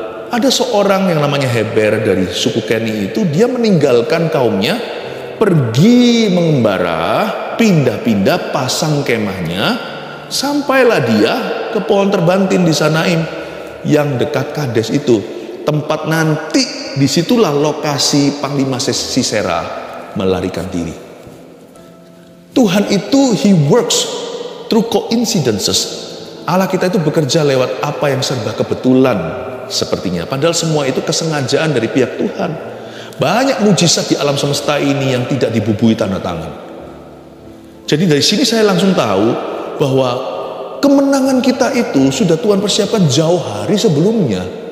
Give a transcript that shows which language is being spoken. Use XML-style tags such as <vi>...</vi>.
<id>Ada seorang yang namanya Heber dari suku Keni itu, dia meninggalkan kaumnya, pergi mengembara, pindah-pindah pasang kemahnya, sampailah dia ke pohon terbantin di Saanaim yang dekat Kades itu, tempat nanti disitulah lokasi Panglima Sisera melarikan diri. Tuhan itu,</id> <en>He works through coincidences.</en> <id>Allah kita itu bekerja lewat apa yang serba kebetulan sepertinya, padahal semua itu kesengajaan dari pihak Tuhan. Banyak mujizat di alam semesta ini yang tidak dibubuhi tanda tangan. Jadi dari sini saya langsung tahu bahwa kemenangan kita itu sudah Tuhan persiapkan jauh hari sebelumnya.</id>